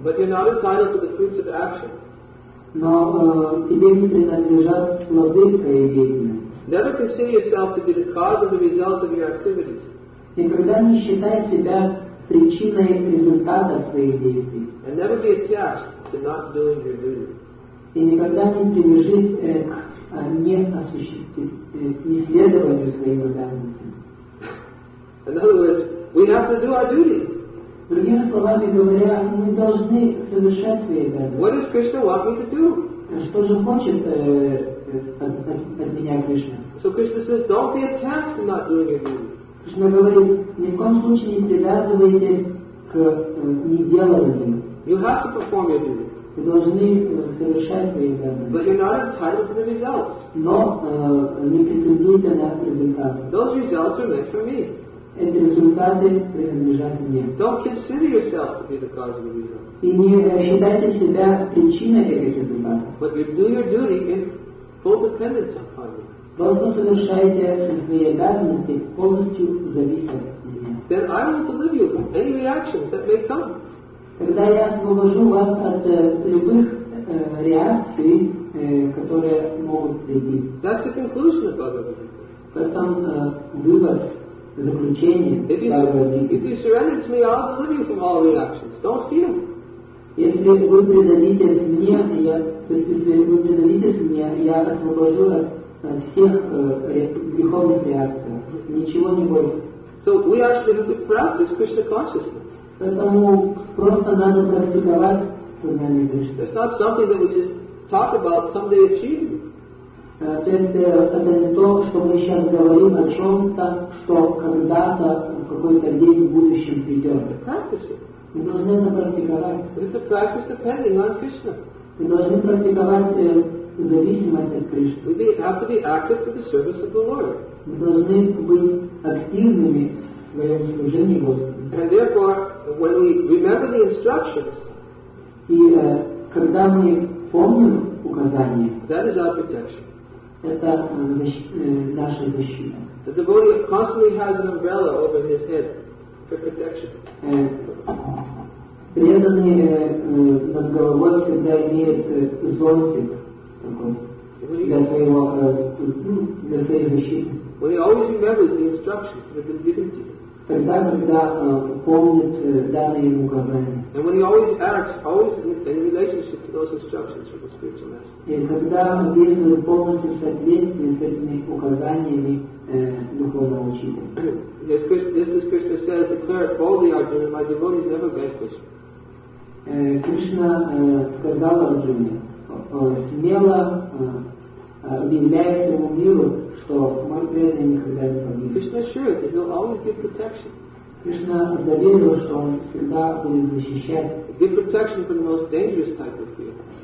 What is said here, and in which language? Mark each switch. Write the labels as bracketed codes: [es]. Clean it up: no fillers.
[en] But you're not entitled to the fruits of action. [ru] Но тебе не принадлежат плоды твоей деятельности. [en] Never consider yourself to be the cause of the results of your activities. [ru] Никогда не считай себя причиной результата своих действий. [en] And never be attached to not doing your duty. [ru] И никогда не привяжись к неисследованию своим обязанностям. [en] In other words, we have to do our duty. [ru] Другими словами говоря, мы должны совершать свои обязанности. [en] What does Krishna want me to do? [ru] Что же хочет от меня Кришна? [en] So Krishna says, don't be attached to not doing your duty. [ru] Кришна говорит, ни в коем случае не привязывайтесь к неделанию. [en] You have to perform your duty. [ru] Вы должны совершать свои обязанности. [en] But you're not entitled to the results. [ru] Но не претендуйте на результаты. [en] Those results are meant for me. [ru] Эти результаты принадлежат мне. [en] Don't consider yourself to be the cause of the result. [ru] И не считайте себя причиной этих результатов. [en] But you do your duty in full dependence upon you. [ru] Просто совершайте свои обязанности полностью зависят от меня. [en] Then I will believe you from any reactions that may come. [ru] Тогда я освобожу вас от любых реакций, которые могут прийти. [en] That's the conclusion of Bhagavad Gita. [ru] Потом вывод, заключение Bhagavad Gita. [en] If you surrender to me, I'll deliver you from all reactions. Don't fear. [ru] Если вы предадитесь мне, я освобожу от всех греховных реакций. Ничего не бойтесь. [en] So we actually have to practice Krishna consciousness. [ru] Поэтому просто надо практиковать сознание Кришны. [en] It's not something that we just talk about, someday achieve. [ru] Это не то, что мы сейчас говорим о чем-то, что когда-то, в какой-то день в будущем придет. Мы должны это практиковать. Мы должны практиковать зависимость от Кришны. [en] We have to be active for the service of the Lord. [ru] Мы должны быть активными в своем служении Господу. [en] And therefore, when we remember the instructions, [ru] и когда мы помним указания, [en] that is our protection. [ru] Это наша защита. [en] The devotee constantly has an umbrella over his head for protection. [ru] Преданный над головой всегда имеет зонтик для своей защиты. [en] When he always remembers the instructions that have been given to him. [ru] Тогда, когда помнит данные ему указания. [en] And when he always acts, always in relationship to those instructions from the spiritual master. [ru] И когда он действует полностью в соответствии с этими указаниями духовного учителя. [en] Just as Krishna says, declare boldly, Arjuna, my devotee is never vanquished. [ru] Кришна сказал Арджуне, смело объявляя своему миру, что мой преданный никогда не погибнет. [en] Кришна sure that he'll always give protection. [ru] Кришна заверил, что он всегда будет защищать. [en] Give protection from the most dangerous type of fear.